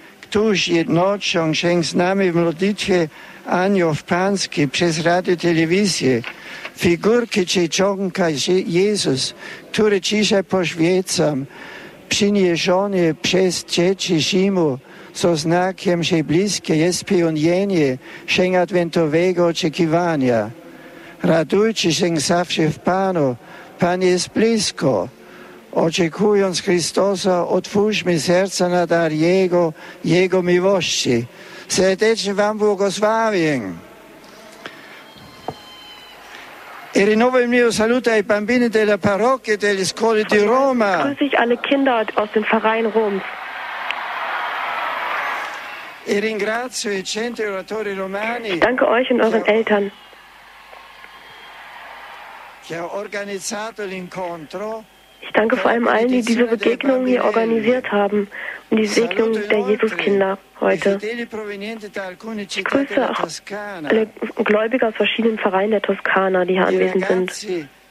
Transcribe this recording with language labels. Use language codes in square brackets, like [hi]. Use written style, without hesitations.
[pl] Tuż jednoczą się z nami w modlitwie aniołów pańskich przez radio telewizję figurki czcionka Jezus, który dzisiaj poświęcam, przyniesione przez dzieci Zimu so znakiem, że bliskie jest spełnienie się adwentowego oczekiwania. Radujcie się zawsze w Panu, Pan jest blisko. Oczekując Chrystusa, otwórzmy serca na dar Jego, Jego miłości. Serdecznie Wam błogosławię. [it] E rinnovo il mio saluto ai bambini della parrocchia e delle scuole di Roma. [de] Grüße ich alle Kinder aus dem Verein Roms. [it] E ringrazio i centri oratori romani. [de] Ich danke euch und euren Eltern. [it] Che ha organizzato l'incontro. [de] Ich danke vor allem allen, die diese Begegnung hier organisiert haben und die Segnung der Jesuskinder heute. Ich grüße auch alle Gläubige aus verschiedenen Vereinen der Toskana, die hier anwesend sind.